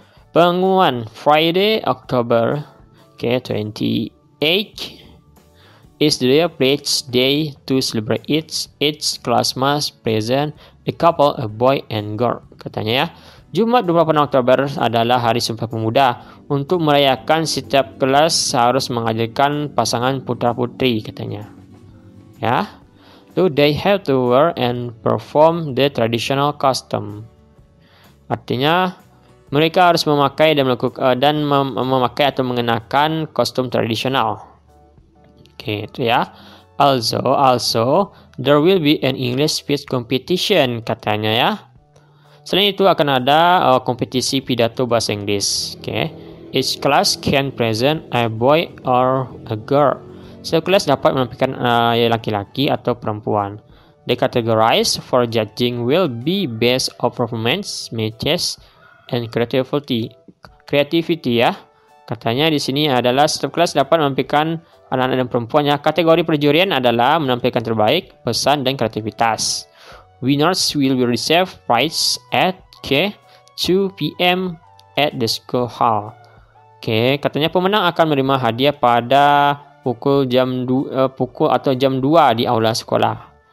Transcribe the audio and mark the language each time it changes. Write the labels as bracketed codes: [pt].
[id] Pengumuman [en] Friday, October, 28 is the privilege day to celebrate each classmas present a couple, a boy and girl. [id] Katanya ya, Jumat 28 Oktober adalah hari Sumpah Pemuda. Untuk merayakan, setiap kelas harus menghadirkan pasangan putra-putri, katanya. Ya. [en] So they have to wear and perform the traditional custom. [id] Artinya, mereka harus memakai dan melakukan dan memakai atau mengenakan kostum tradisional. Oke, itu ya. [en] Also, there will be an English speech competition, [id] katanya ya. Selain itu akan ada kompetisi pidato bahasa Inggris. Oke. Okay. [en] Each class can present a boy or a girl. [id] Setiap kelas dapat menampilkan laki-laki atau perempuan. [en] The categories for judging will be based on performance, matches, and creativity. Creativity ya. [id] Katanya di sini adalah setiap kelas dapat menampilkan anak-anak dan perempuan. Ya. Kategori perjurian adalah menampilkan terbaik, pesan, dan kreativitas. [en] Winners will receive prize at 2 p.m. at the school hall. [id] Oke, katanya pemenang akan menerima hadiah pada jam 2 di aula sekolah.